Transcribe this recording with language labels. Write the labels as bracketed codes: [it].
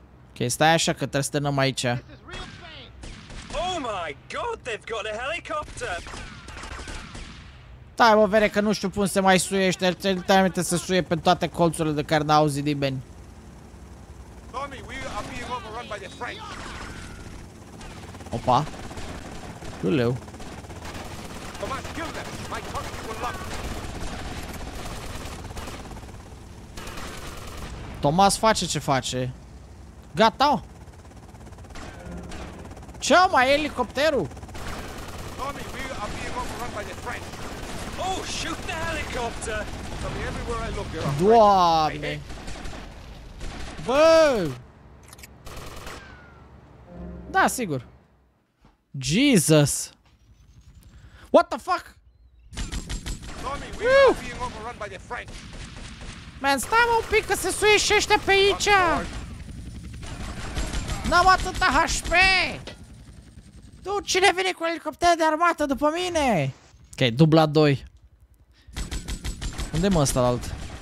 [ro] Ok, stai așa că trebuie să stănăm aici. [en] Oh my god, they've got a helicopter. [ro] Da, mă, vere că nu știu cum se mai suiește, literalmente se suie pe toate colțurile de care n-a auzit nimeni. [en] Tommy, we are being overrun by the French. Opa. Hello. Thomas, kill them. My target will lock. [ro] Thomas face ce face. Gata. Ce mai elicopterul? [en] Tommy, we are being overrun by the French. Oh, shoot the helicopter. Tommy, everywhere I look, there are [ro] Doamne. Bă. Da, sigur. [en] Jesus. What the fuck? Tommy, we are being overrun by the French. [ro] Man, stai mă un pic că se suieșe ăștia pe aici. N-am atâta HP. Tu, cine vine cu elicopter de armată după mine? Ok, dubla 2. Unde mă ăsta la alt?